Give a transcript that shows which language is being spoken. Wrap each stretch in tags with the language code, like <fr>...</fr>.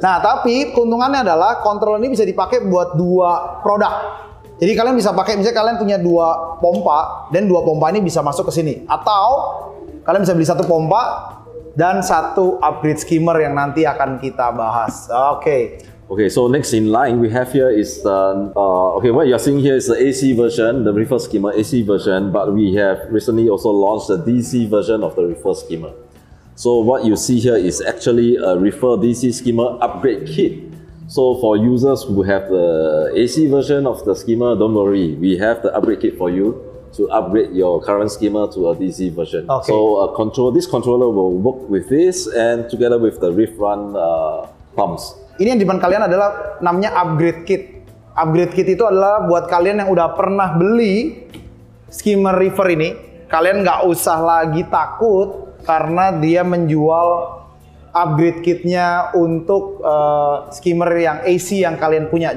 <id>Nah, tapi keuntungannya adalah controller ini bisa dipakai buat dua produk. Jadi kalian bisa pakai, misalnya kalian punya dua pompa, dan dua pompa ini bisa masuk ke sini. Atau kalian bisa beli satu pompa, dan satu upgrade skimmer yang nanti akan kita bahas.</id> <en>Okay. Okay, so next in line we have here is what you're seeing here is the AC version, the reefer skimmer AC version, but we have recently also launched the DC version of the reefer skimmer. So what you see here is actually a reefer DC skimmer upgrade kit. So for users who have the AC version of the skimmer, don't worry, we have the upgrade kit for you to upgrade your current skimmer to a DC version. Okay. So this controller will work with this and together with the Reef Run pumps.</en> <id>Ini yang di depan kalian adalah namanya upgrade kit. Upgrade kit itu adalah buat kalian yang udah pernah beli skimmer reefer ini. Kalian nggak usah lagi takut karena dia menjual upgrade kitnya untuk skimmer yang AC yang kalian punya.</id>